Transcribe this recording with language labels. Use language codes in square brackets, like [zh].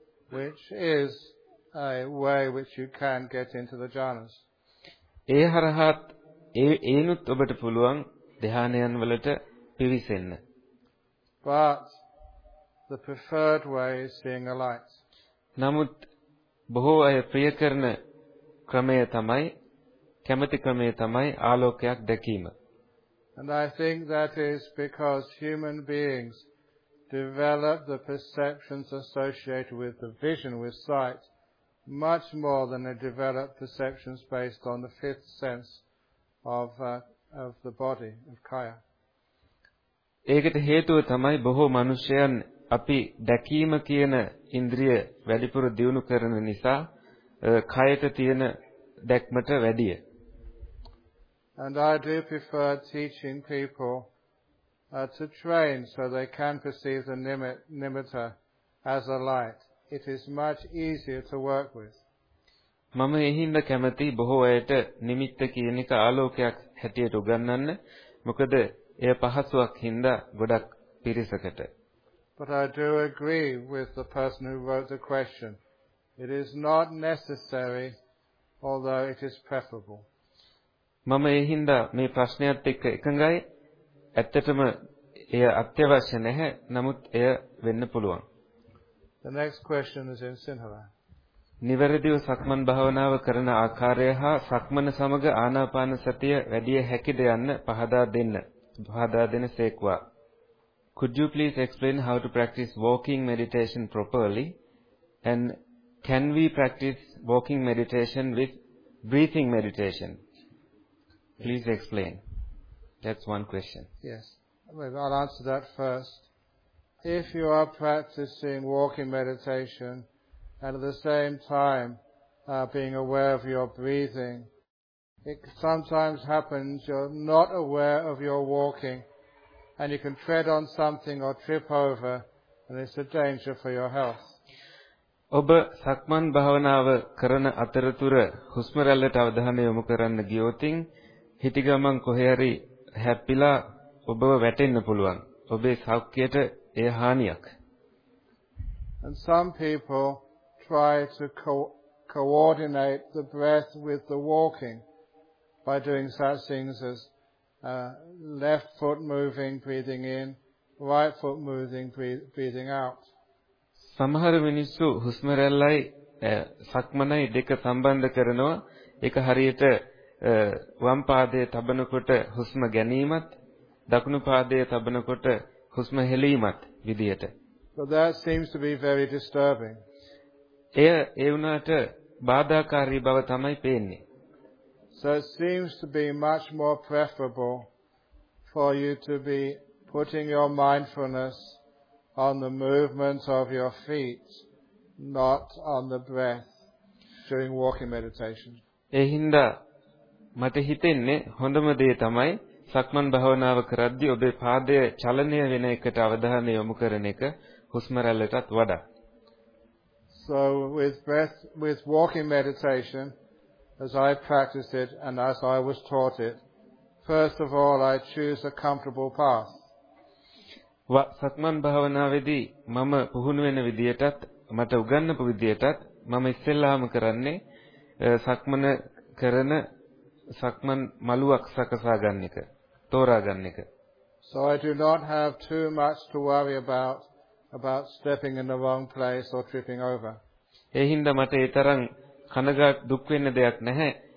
[en] Which is a way which you can get into the jhanas. [si] ඒ හරහත් ඒනුත් ඔබට පුළුවන් ධ්‍යානයන් වලට පිවිසෙන්න. [en] But the preferred way is seeing a light. [si] නමුත් බොහෝ අය ප්‍රිය කරන ක්‍රමය තමයි කැමැති ක්‍රමය තමයි ආලෝකයක් දැකීම. [en] And I think that is because human beings develop the perceptions associated with the vision with sight much more than they develop perceptions based on the fifth sense of the body of kaya. [si] ඒකට හේතුව තමයි බොහෝ මිනිසයන් අපි දැකීම කියන ඉන්ද්‍රිය වැඩිපුර දියුණු කරන නිසා කයට තියෙන දැක්මට වැඩිය. [en] And I do prefer teaching people to train so they can perceive the nimitta as a light. It is much easier to work with. [si] මම එහිඳ කැමති බොහෝ අයට නිමිත්ත කියන එක ආලෝකයක් හැටියට උගන්වන්න. මොකද එය පහසුවක් හින්දා ගොඩක් පිරිසකට. [en] But I do agree with the person who wrote the question. It is not necessary, although it is preferable. [si] මම ඒ හින්දා මේ ප්‍රශ්නයත් එක්ක එකඟයි. ඇත්තටම එය අත්‍යවශ්‍ය නැහැ. නමුත් එය වෙන්න පුළුවන්. [en] The next question is in Sinhala. [si] නිවැරදිව සක්මන් භාවනාව කරන ආකාරය හා සක්මන සමග ආනාපාන සතිය වැඩිය හැකිද යන්න පහදා දෙන සේක්වා. [en] Could you please explain how to practice walking meditation properly? And can we practice walking meditation with breathing meditation? Please explain. That's one question. Yes. Maybe I'll answer that first. If you are practicing walking meditation and at the same time being aware of your breathing, it sometimes happens you're not aware of your walking and you can tread on something or trip over and it's a danger for your health. [si] ඔබ සක්මන් භාවනාව කරන අතරතුර හුස්ම රැල්ලට අවධානය යොමු කරන්න ගියොතින් හිටිගමන් කොහේ හරි හැප්පිලා ඔබව වැටෙන්න පුළුවන්. ඔබේ සෞඛ්‍යයට එය හානියක්. [en] And some people try to coordinate the breath with the walking by doing such things as left foot moving, breathing in, right foot moving, breathing out. [si] සමහර මිනිස්සු හුස්ම රැල්ලයි සක්මනයි දෙක සම්බන්ධ කරනවා. ඒක හරියට වම් පාදයේ තබනකොට හුස්ම ගැනීමත් දකුණු පාදයේ තබනකොට හුස්ම හෙලීමත් විදියට. [en] So that seems to be very disturbing. [si] එය ඒ වුණාට බාධාකාරී බව තමයි පේන්නේ. [en] So it seems to be much more preferable for you to be putting your mindfulness on the movement of your feet, not on the breath during walking meditation. [si] එහිඳ මට හිතෙන්නේ හොඳම දේ තමයි සක්මන් භාවනාව කරද්දී ඔබේ පාදයේ චලනය වෙන එකට අවධානය යොමු කරන එක හුස්ම රැල්ලටත් වඩා. [en] So with walking meditation, as I practice it and as I was taught it, first of all I choose a comfortable path. [si] සක්මන් භාවනාවේදී මම පුහුණු වෙන විදියටත් මට උගන්වපු විදියටත් මම ඉස්සෙල්ලාම කරන්නේ සක්මන කරන සක්මන් මළුවක් සකසා ගන්න එක, තෝරා ගන්න එක. [en] So I do not have too much to worry about stepping in the wrong place or tripping over. [si] ඒ හින්දා මට ඒ තරම් කනගාට දුක් වෙන්න දෙයක් නැහැ.